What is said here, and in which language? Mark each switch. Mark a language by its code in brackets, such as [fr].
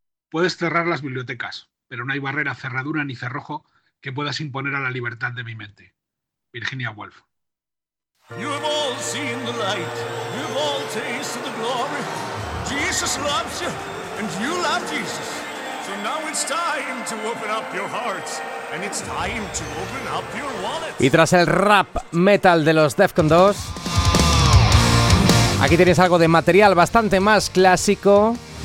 [es] Puedes cerrar las bibliotecas, pero no hay barrera, cerradura ni cerrojo que puedas imponer a la libertad de mi mente. Virginia Woolf. [en] You've all seen the light, you've all tasted the glory. Jesus loves you, and you love Jesus. So now it's time to open up your hearts, and it's time to open up your wallet. [es] Y tras el rap metal de los Defcon 2, aquí tienes algo de material bastante más clásico.